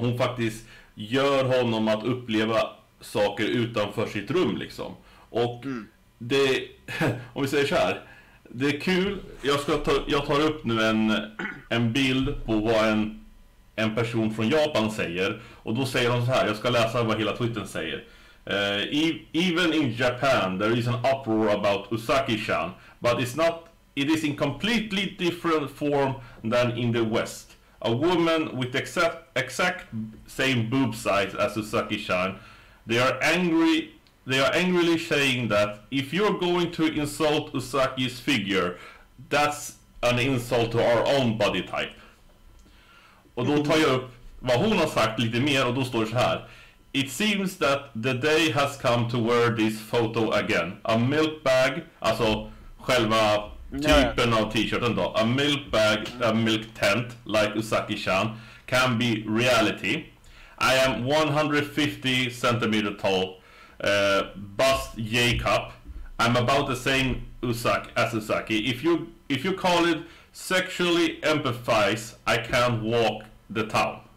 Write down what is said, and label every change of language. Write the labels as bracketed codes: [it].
[sv] Hon faktiskt gör honom att uppleva saker utanför sitt rum, liksom. Och det, om vi säger så här, det är kul. Jag tar upp nu en bild på vad en person från Japan säger, och då säger de så här. Jag ska läsa vad hela Twittern säger. [en] Even in Japan there is an uproar about Usagi-chan, but it is in completely different form than in the West. A woman with exact same boob size as Usagi-chan, they are angrily saying that if you're going to insult Usagi's figure, that's an insult to our own body type. [sv] Och då tar jag upp vad hon har sagt lite mer, och då står det så här. [en] It seems that the day has come to wear this photo again. A milk bag, [sv] alltså själva typen av t-shirten då. [en] A milk bag, a milk tent, like Usagi-chan, can be reality. I am 150 centimeter tall. Bust J-cup. I'm about the same Usagi. If you call it sexually empathize, I can't walk the town.